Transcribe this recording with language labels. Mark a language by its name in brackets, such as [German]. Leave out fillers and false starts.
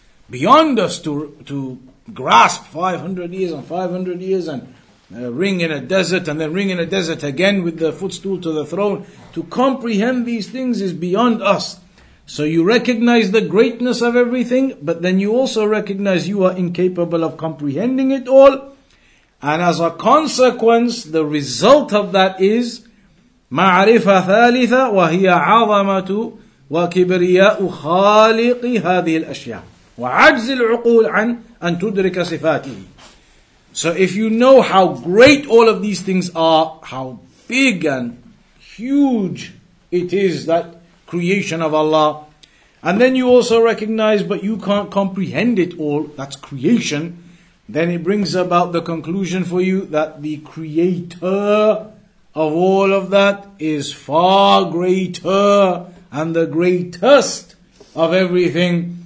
[English] Beyond us to grasp 500 years and 500 years and a ring in a desert and then ring in a desert again with the footstool to the throne. To comprehend these things is beyond us. So you recognize the greatness of everything, but then you also recognize you are incapable of comprehending it all. And as a consequence, the result of that is [Arabic] معرفة ثالثة وهي عظمة وكبرياء خالق هذه الأشياء وعجز العقول عن أن تدرك صفاته. [English] So if you know how great all of these things are, how big and huge it is, that creation of Allah, and then you also recognize but you can't comprehend it all, that's creation, then it brings about the conclusion for you that the creator of all of that is far greater and the greatest of everything.